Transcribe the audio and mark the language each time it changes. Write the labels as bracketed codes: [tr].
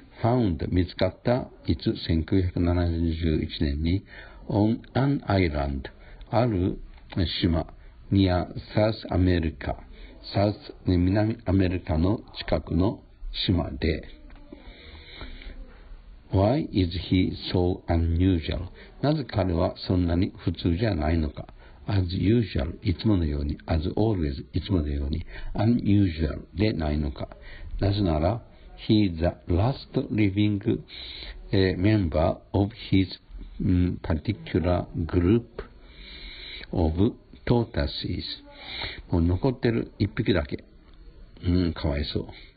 [ja] ファウンド、見つかった、いつ、1971年に、オン・アン・アイランド、ある島、ニア・サウス・アメリカ、サウス、南アメリカの近くの島で。 [en] Why is he so unusual? [ja] なぜ彼はそんなに普通じゃないのか。 [en] As usual、 [ja] いつものように。 [en] As always、 [ja] いつものように。Unusual でないのか。なぜなら、 [en] He is the last living member of his particular group of tortoises。 [ja] もう残ってる一匹だけ。かわいそう。